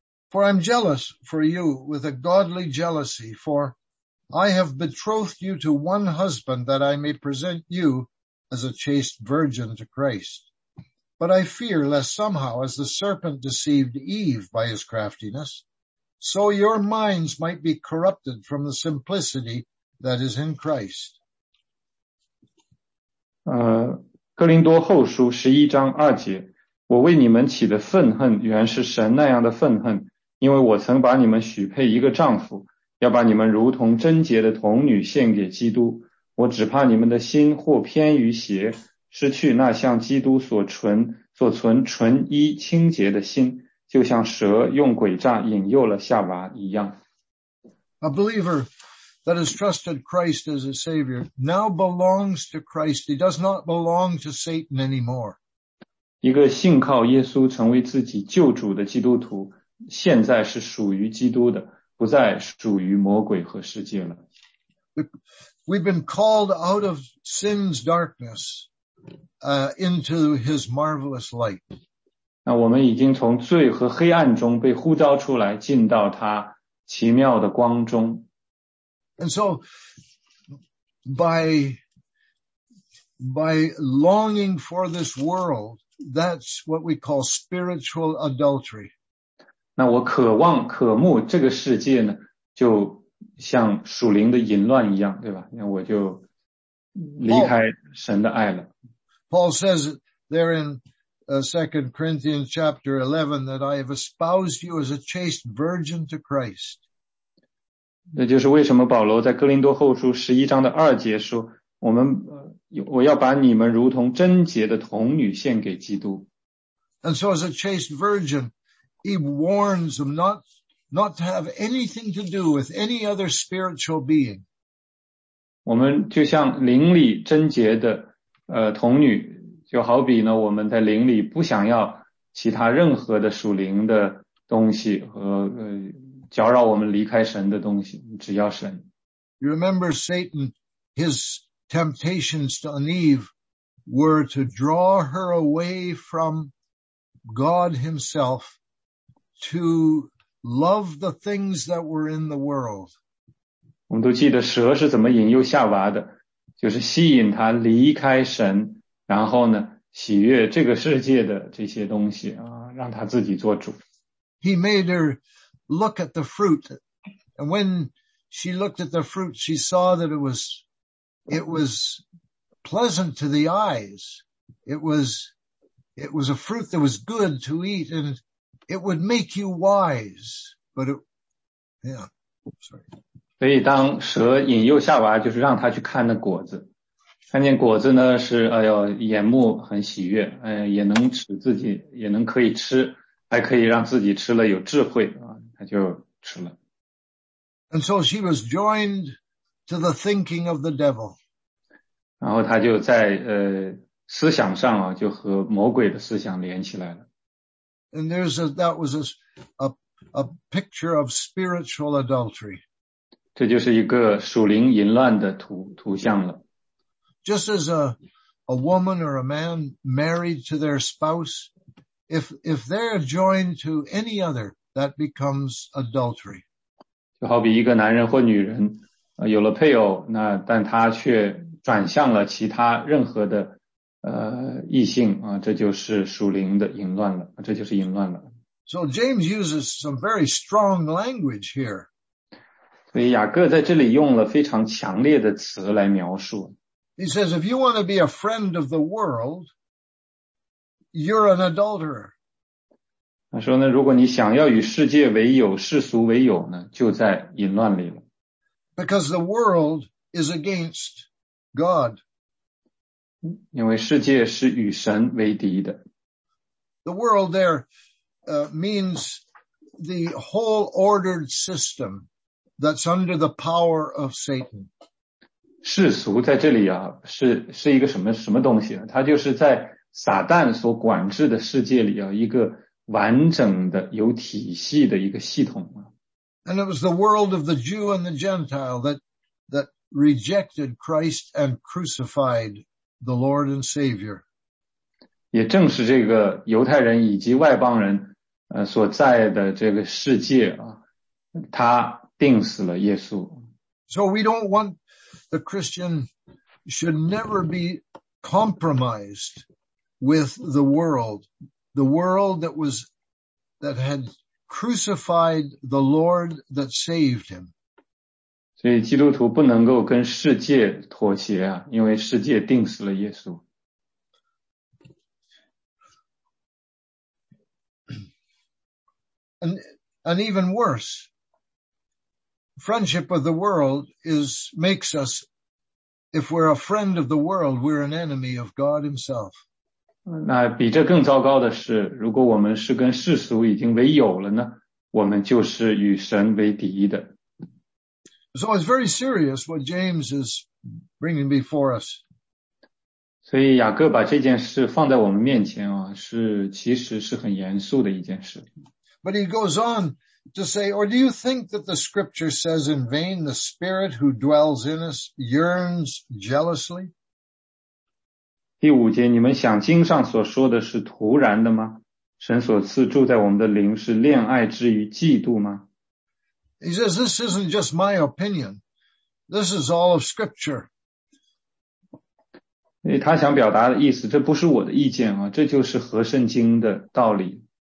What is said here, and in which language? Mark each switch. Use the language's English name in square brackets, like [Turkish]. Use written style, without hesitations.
[English] For I'm jealous for you with a godly jealousy, for I have betrothed you to one husband that I may present you as a chaste virgin to Christ. But I fear lest somehow, as the serpent deceived Eve by his craftiness, so your minds might be corrupted from the simplicity that is in Christ. [Chinese] 哥林多后书十一章二节，我为你们起的愤恨，原是神那样的愤恨，因为我曾把你们许配一个丈夫，要把你们如同贞洁的童女献给基督。我只怕你们的心或偏于邪，失去那像基督所存纯一清洁的心，就像蛇用诡诈引诱了夏娃一样。 [English] A believer that has trusted Christ as a Savior now belongs to Christ. He does not belong to Satan anymore. [Chinese] 一个信靠耶稣成为自己救主的基督徒，现在是属于基督的，不再属于魔鬼和世界了。 [English] We've been called out of sin's darkness. Into his marvelous light. [Chinese] 那我们已经从罪和黑暗中被呼召出来，进到他奇妙的光中。 [English] And so, by longing for this world, that's what we call spiritual adultery. [Chinese] 那我渴望渴慕这个世界呢，就像属灵的淫乱一样，对吧？那我就离开神的爱了。 [English] Paul says there in 2 Corinthians chapter 11 that I have espoused you as a chaste virgin to Christ. [Chinese] 那就是为什么保罗在哥林多后书11章的2节说，我要把你们如同贞洁的童女献给基督。 [English] And so as a chaste virgin, he warns them not to have anything to do with any other spiritual being. [Chinese] 我们就像灵里贞洁的童女，就好比呢，我们在灵里不想要其他任何的属灵的东西和搅扰我们离开神的东西，只要神。 [English] You remember Satan, his temptations to Eve were to draw her away from God himself to love the things that were in the world. [Chinese] 我们都记得蛇是怎么引诱夏娃的。就是吸引他离开神，然后呢，喜悦这个世界的这些东西啊，让他自己做主。 [English] He made her look at the fruit, and when she looked at the fruit, she saw that it was pleasant to the eyes. It was a fruit that was good to eat and it would make you wise. But sorry. [Chinese] 所以当蛇引诱夏娃，就是让她去看那果子，看见果子呢是哎呦眼目很喜悦，也能使自己也能可以吃，还可以让自己吃了有智慧啊，她就吃了。 [English] And so she was joined to the thinking of the devil. [Chinese] 然后她就在思想上啊，就和魔鬼的思想连起来了。 [English] And that was a picture of spiritual adultery. [Chinese] 这就是一个属灵淫乱的图像了。 [English] Just as a woman or a man married to their spouse, if they're joined to any other, that becomes adultery. [Chinese] 就好比一个男人或女人有了配偶，那但他却转向了其他任何的异性啊，这就是属灵的淫乱了，这就是淫乱了。 [English] So James uses some very strong language here. [Chinese] 所以雅各在这里用了非常强烈的词来描述。 [English] He says, if you want to be a friend of the world, you're an adulterer. [Chinese] 他说呢，如果你想要与世界为友，世俗为友呢，就在淫乱里了。 [English] Because the world is against God. [Chinese] 因为世界是与神为敌的。 [English] The world there,means the whole ordered system that's under the power of Satan. [Chinese] 世俗在这里啊，是一个什么东西啊？它就是在撒旦所管制的世界里啊，一个完整的有体系的一个系统啊。 [English] And it was the world of the Jew and the Gentile that rejected Christ and crucified the Lord and Savior. [Chinese] 也正是这个犹太人以及外邦人所在的这个世界啊，他钉死了耶稣。 [English] So we don't want the Christian should never be compromised with the world that had crucified the Lord that saved him. [Chinese] 所以基督徒不能够跟世界妥协啊，因为世界钉死了耶稣。 [English] And even worse, friendship with the world makes us, if we're a friend of the world, we're an enemy of God himself. [Chinese] 那比这更糟糕的是，如果我们是跟世俗已经为友了呢，我们就是与神为敌的。 [English] So it's very serious what James is bringing before us. [Chinese] 所以雅各把这件事放在我们面前啊，其实是很严肃的一件事。 [English] But he goes on to say, or do you think that the scripture says in vain, the spirit who dwells in us yearns jealously? [Chinese] 第五节，你们想经上所说的是徒然的吗？神所赐住在我们的灵是恋爱之余嫉妒吗？ [English] He says, this isn't just my opinion. This is all of scripture. [Chinese] 他想表达的意思，这不是我的意见啊，这就是合圣经的道理。